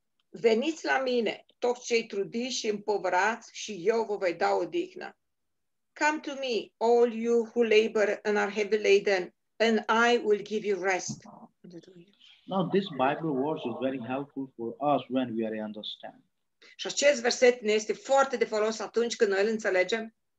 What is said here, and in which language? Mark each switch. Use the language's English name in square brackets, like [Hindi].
[Romanian] Veniți la mine, toți cei trudiți și împovărați, și eu vă voi da odihnă. [English] Come to me, all you who labor and are heavy laden, and I will give you rest. Now this Bible verse is very helpful for us when we are understand. [Romanian] Și acest verset ne este foarte de folos atunci când noi îl înțelegem.